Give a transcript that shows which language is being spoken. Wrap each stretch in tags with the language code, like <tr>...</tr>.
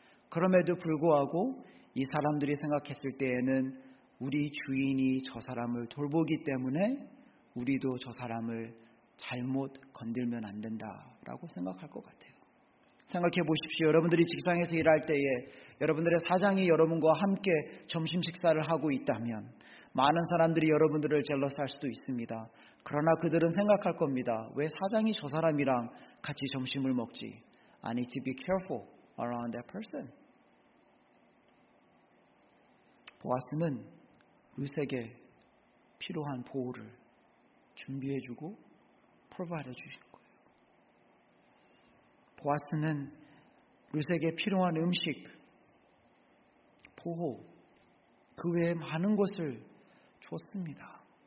<ko>그럼에도 불구하고 이 사람들이 생각했을 때에는 우리 주인이 저 사람을 돌보기 때문에 우리도 저 사람을 잘못 건들면 안 된다라고 생각할 것 같아요. 생각해 보십시오. 여러분들이 직장에서 일할 때에 여러분들의 사장이 여러분과 함께 점심 식사를 하고 있다면 많은 사람들이 여러분들을 젤러스할 수도 있습니다. 그러나 그들은 생각할 겁니다. 왜 사장이 저 사람이랑 같이 점심을 먹지?</ko> <en>I need to be careful around that person.</en> <ko>보아스는 룻에게 필요한 보호를 준비해주고 프로바이드 해주신 거예요. 보아스는 룻에게 필요한 음식, 보호, 그 외에 많은 것을 줬습니다.</ko>